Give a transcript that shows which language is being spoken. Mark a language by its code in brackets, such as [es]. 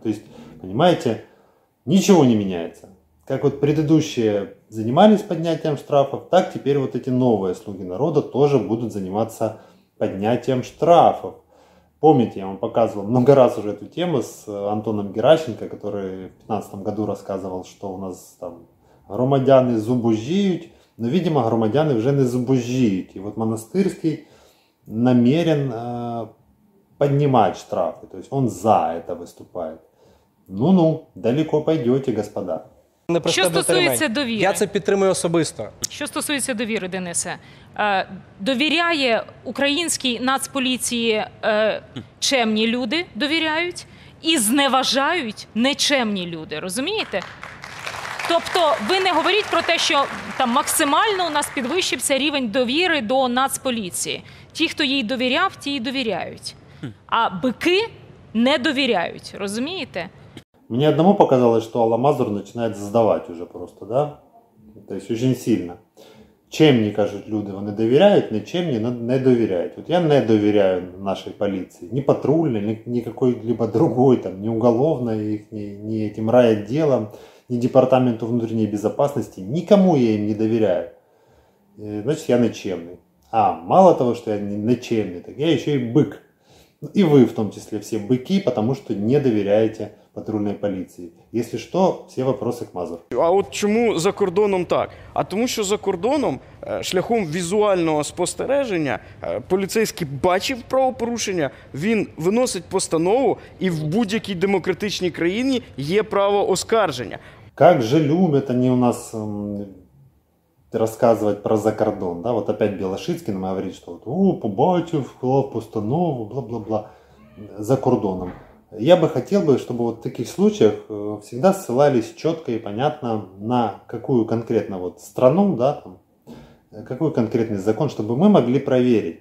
[ru] То есть, понимаете, ничего не меняется. Как вот предыдущие занимались поднятием штрафов, так теперь вот эти новые слуги народа тоже будут заниматься поднятием штрафов. Помните, я вам показывал много раз уже эту тему с Антоном Геращенко, который в 2015 году рассказывал, что у нас там [uk] громадяни зубожіють, але, видимо, громадяни вже не зубожіють. І от Монастирський намерен піднімати штрафи. Тобто він за це виступає. [ru] Ну-ну, далеко пойдете, господа. [uk] Що стосується довіри? Я це підтримую особисто. Що стосується довіри, Денисе? Довіряє українській нацполіції чемні люди, довіряють, і зневажають нечемні люди, розумієте? Тобто ви не говоріть про те, що там максимально у нас підвищився рівень довіри до Нацполіції. Ті, хто їй довіряв, ті й довіряють. А бики не довіряють, розумієте? Мені одному показалось, що Аламазур починає здавати вже просто, да? Тобто дуже сильно. Чемні, кажуть люди, вони довіряють, не чемні, але не довіряють. От я не довіряю нашій поліції, ні патрульній, ні якоїсь другої, там, ні уголовної, ні тим райвідділам, [ru] ни департаменту внутренней безопасности, никому я им не доверяю. Значит, я ничемный. А, мало того, что я начальник, так я еще и бык. И вы, в том числе, все быки, потому что не доверяете патрульной полиции. Если что, все вопросы к МАЗу. [uk] А от чому за кордоном так? А тому, що за кордоном, шляхом візуального спостереження, поліцейський бачив правопорушення, він виносить постанову, і в будь-якій демократичній країні є право оскарження. [ru] Как же любят они у нас рассказывать про закордон, да? Вот опять Белошицкий нам говорит, что вот, [uk] о, побачив, клав постанову, [ru] бла-бла-бла, за кордоном. Я бы хотел, чтобы вот в таких случаях всегда ссылались четко и понятно на какую конкретно вот страну, да, там, какой конкретный закон, чтобы мы могли проверить.